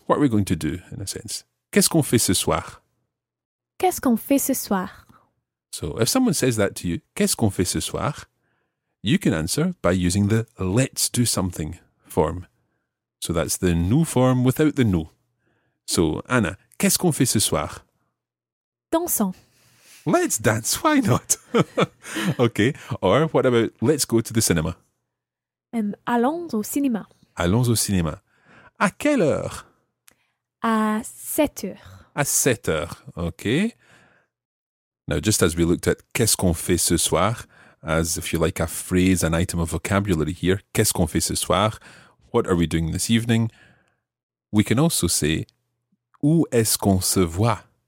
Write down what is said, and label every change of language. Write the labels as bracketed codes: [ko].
[en] What are we going to do, in a sense? [fr] Qu'est-ce qu'on fait ce soir? Qu'est-ce qu'on fait ce soir? [en] So if someone says that to you, [fr] qu'est-ce qu'on fait ce soir? [en] You can answer by using the let's do something form. So that's the nous form without the nous. [fr] So Anna, qu'est-ce qu'on fait ce soir? Dansons. [en] Let's dance, why not? Okay, or what about let's go to the cinema? [fr] Allons au cinéma. Allons au cinéma. À quelle heure? À 7 heures. À 7 heures, [en] okay. Now, just as we looked at [fr] qu'est-ce qu'on fait ce soir, [en] as if you like a phrase, an item of vocabulary here, [fr] qu'est-ce qu'on fait ce soir, [en] what are we doing this evening, we can also say [fr] où est-ce qu'on se voit.